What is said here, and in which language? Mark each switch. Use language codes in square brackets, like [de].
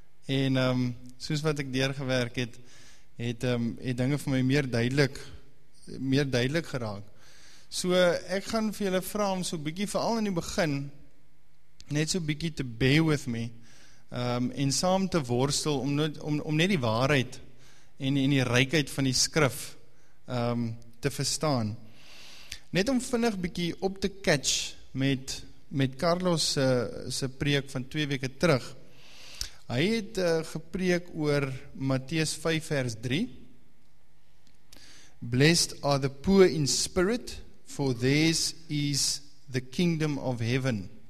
[af] En soos wat ek deurgewerk het, het dinge vir my meer duidelik geraak. So ek gaan vir julle vra om so bietjie, veral in die begin, net so bietjie te [en] be with me, [af] en saam te worstel om net die waarheid en die rykheid van die skrif te verstaan. Net om vinnig bietjie op te catch met Carlos se preek van 2 weke terug. Hy het gepreek oor Matteus 5 vers 3. [en] Blessed are the poor in spirit, for theirs is the kingdom of heaven.